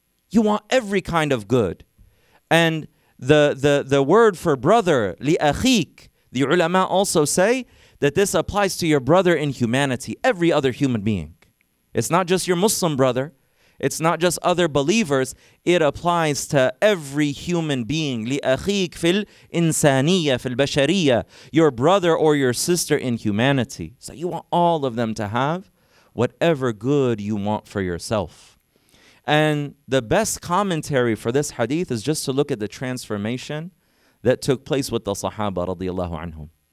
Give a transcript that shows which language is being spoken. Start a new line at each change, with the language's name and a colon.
English: You want every kind of good. And the word for brother, لِأَخِيك, the ulama also say that this applies to your brother in humanity, every other human being. It's not just your Muslim brother. It's not just other believers. It applies to every human being.
Arabic: لأخيك في الإنسانية في البشرية.
English: Your brother or your sister in humanity. So you want all of them to have whatever good you want for yourself. And the best commentary for this hadith is just to look at the transformation that took place with the Sahaba radiallahu anhum.